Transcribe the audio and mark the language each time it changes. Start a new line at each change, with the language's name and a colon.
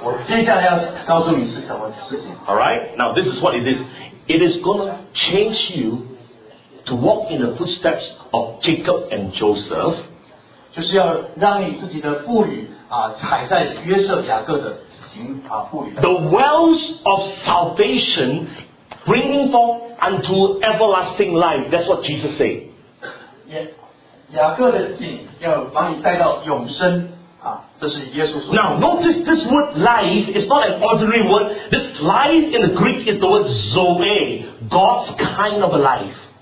Chinese: 所以不仅你的头会成为长五谷新酒的地方，你的脸会有笑容，而且我接下来要告诉你是什么事情.
English: All right. Now this is what it is. It is going to change you. To walk in the footsteps of Jacob and Joseph,
Chinese: 就是要让你自己的步履踩在约瑟雅各的步履。
English: The wells of salvation bringing forth unto everlasting life. That's what Jesus said.
Chinese: 雅各的井要把你带到永生，这是耶稣说的。
English: Now notice this word life is not an ordinary word. This life in the Greek is the word zoe, God's kind of a life.